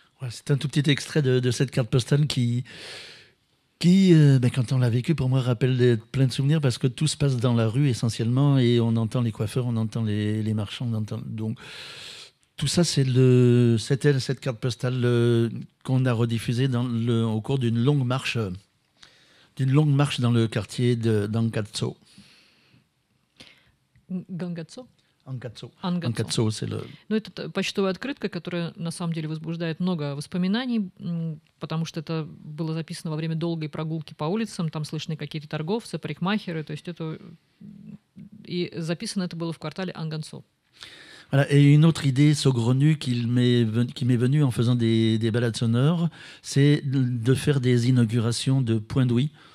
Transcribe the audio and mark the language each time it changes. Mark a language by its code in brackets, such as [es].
[fr] C'est un tout petit extrait de cette carte postale qui, quand on l'a vécu, pour moi, rappelle plein de souvenirs parce que tout se passe dans la rue essentiellement et on entend les coiffeurs, on entend les marchands. Donc tout ça, c'était cette carte postale qu'on a rediffusée au cours d'une longue marche dans le quartier d'Angatso. Gangatso? [ru] Ангатсо. Ну, это почтовая открытка, которая на самом деле возбуждает много воспоминаний, потому что это было записано во время долгой прогулки по улицам, там слышны какие-то торговцы, парикмахеры, то есть это... И записано это было в квартале Ангатсо. [fr] Voilà. Et une autre idée saugrenue qui m'est venue en faisant des balades sonores, c'est de faire des inaugurations de points d'ouïe.